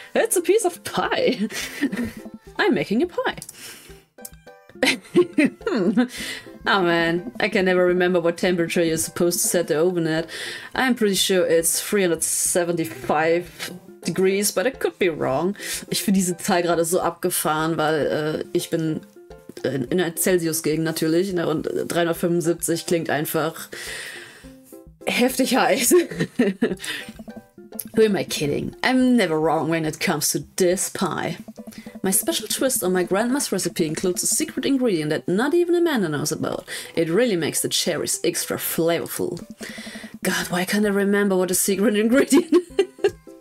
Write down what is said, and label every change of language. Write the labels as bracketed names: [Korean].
[English] It's a piece of pie! I'm making a pie. Oh man, I can never remember what temperature you're supposed to set the oven at. I'm pretty sure it's 375 degrees, but I could be wrong. [German] Ich finde diese Zahl gerade so abgefahren, weil ich bin in einer Celsius-Gegend natürlich, ne, und 375 klingt einfach heftig heiß. [English] Who am I kidding? I'm never wrong when it comes to this pie. My special twist on my grandma's recipe includes a secret ingredient that not even Amanda knows about. It really makes the cherries extra flavorful. God, why can't I remember what a secret ingredient is?